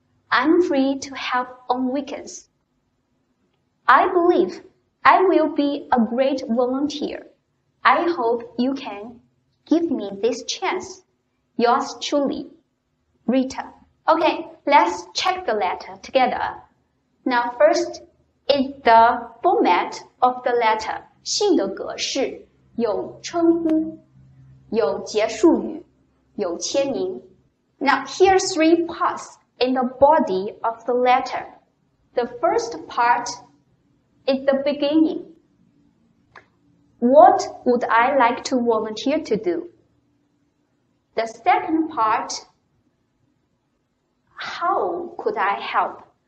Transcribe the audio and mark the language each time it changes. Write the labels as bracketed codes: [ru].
[en] I'm free to help on weekends. I believe I will be a great volunteer. I hope you can give me this chance. Yours truly, Rita. Okay, let's check the letter together. Now first is the format of the letter. [zh] 信的格式有称呼，有结束语，有签名。 [en] Now here are three parts in the body of the letter. The first part is the beginning. What would I like to volunteer to do? The second part, how could I help?